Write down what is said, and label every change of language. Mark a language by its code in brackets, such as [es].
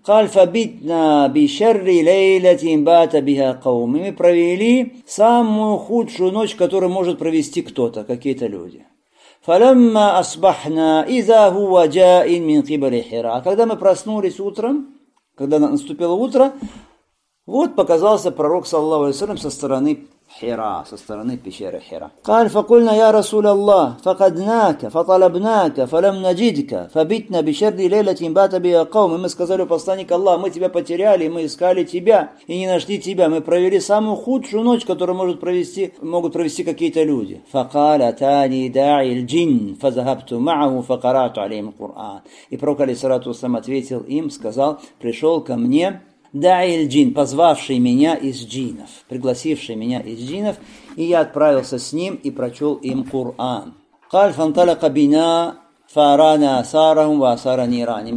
[ar] Кальфа битна бишарри лейлатин бата биха каум. [ru] И мы провели самую худшую ночь, которую может провести кто-то, какие-то люди. [ar] Фалямма асбахна иза хуа джаин мин кибали хира. [ru] А когда мы проснулись утром, когда наступило утро, вот показался пророк, саллаллаху алейхи ва саллям, со стороны Хира, со стороны пещеры Хира. [ar] قال فقلنا يا رسول الله فقدناك فطلبناك فلم نجدك فبتنا بشر ليلة بات بها قوم. [ru] Мы сказали, посланник Аллах, мы тебя потеряли, мы искали тебя и не нашли тебя. Мы провели самую худшую ночь, которую могут провести какие-то люди. [ar] فقال تاني داعي الجن فذهبت معه فقرأت عليهم القرآن. [ru] И пророк алейхиссалату вассалям ответил им, сказал, пришел ко мне Дайль джин, позвавший меня из джинов, пригласивший меня из джинов, и я отправился с ним и прочел им Кур'ан. [ar] Каль фанталака бина фарана асарахум ва асара ниранем.